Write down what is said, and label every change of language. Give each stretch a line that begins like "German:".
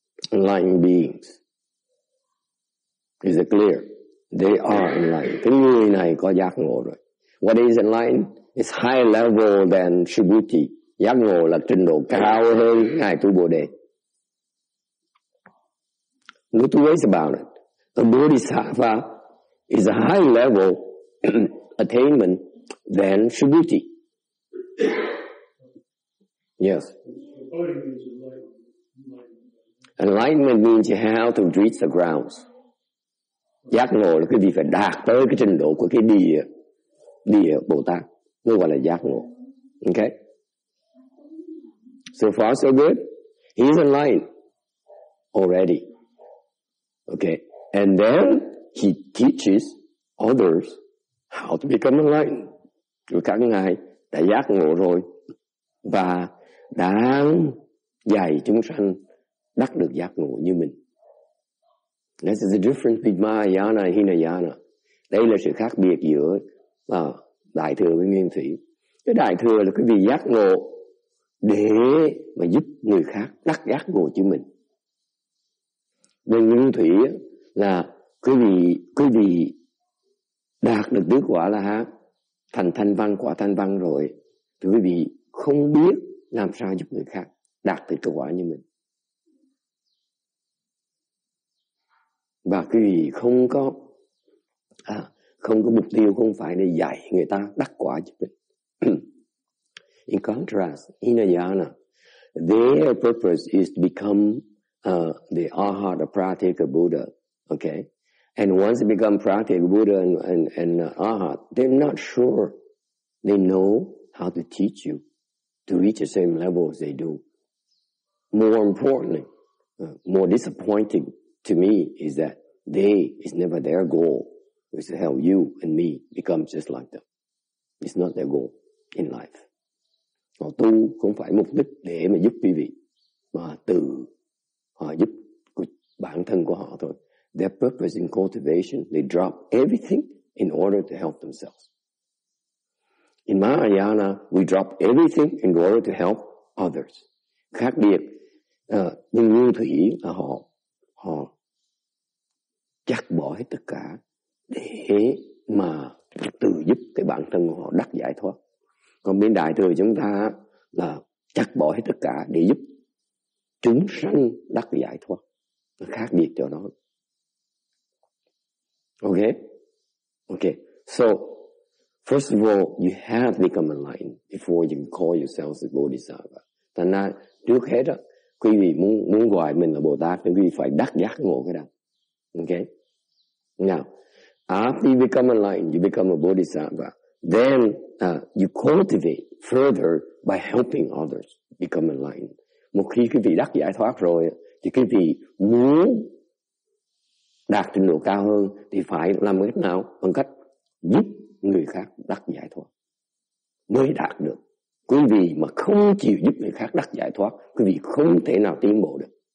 English: Enlightened beings. Is it clear? They are enlightened.
Vietnamese: Cái người này có giác ngộ rồi.
English: What is enlightened? It's higher level than Subhuti.
Vietnamese: Giác ngộ là trình độ cao hơn Ngài Tu Bồ Đề.
English: Look to ways about it. A bodhisattva is a higher level attainment than Subhuti. Yes. Enlightenment means you have to reach the grounds.
Vietnamese: Giác ngộ là cái gì phải đạt tới cái trình độ của cái địa Bồ Tát. Nó gọi là giác ngộ. Okay?
English: So far so good. He's enlightened already. Okay? And then he teaches others how to become enlightened.
Vietnamese: Rồi các ngài đã giác ngộ rồi và đang dạy chúng sanh đắc được giác ngộ như mình.
English: This is the difference between Mahayana and Hinayana.
Vietnamese: Đây là sự khác biệt giữa Đại thừa với nguyên thủy. Cái đại thừa là cái vị giác ngộ để mà giúp người khác đắc giác ngộ chính mình. Bên nguyên thủy là quý vị đạt được tứ quả là ha, thành thanh văn, quả thanh văn rồi, thì quý vị không biết làm sao giúp người khác đạt được tứ quả như mình. Và quý vị không có không có mục tiêu, không phải để dạy người ta đắc quả giúp mình.
English: In contrast, Hinayana, their purpose is to become the Arhat or Pratyeka Buddha. Okay? And once they become Pratyeka Buddha and Arhat, they're not sure they know how to teach you to reach the same level as they do. More importantly, more disappointing to me is that they is never their goal, is to help you and me become just like them. It's not their goal in life.
Vietnamese: Họ tu không phải mục đích để mà giúp quý vị, mà tự họ giúp bản thân của họ thôi.
English: Their purpose in cultivation, they drop everything in order to help themselves. In Mahayana, we drop everything in order to help others.
Vietnamese: Khác biệt, nhưng nguyên thủy là họ chắc bỏ hết tất cả để mà tự giúp cái bản thân của họ đắc giải thoát. Còn bên đại thừa chúng ta là chắc bỏ hết tất cả để giúp chúng sanh đắc giải thoát. Nó khác biệt chỗ đó.
English: Okay. So, first of all, you have to become enlightened before you call yourself a bodhisattva.
Vietnamese: Thành ra, trước hết đó, quý vị muốn gọi mình là Bồ Tát, thì quý vị phải đắc giác ngộ cái đó.
English: Okay? Now, after you become enlightened, you become a bodhisattva. Then you cultivate further by helping others become enlightened.
Vietnamese: Một khi quý vị đắc giải thoát rồi, thì quý vị muốn đạt trình độ cao hơn thì phải làm cách nào? Bằng cách giúp người khác đắc giải thoát mới đạt được. Quý vị mà không chịu giúp người khác đắc giải thoát, quý vị không thể nào tiến bộ được.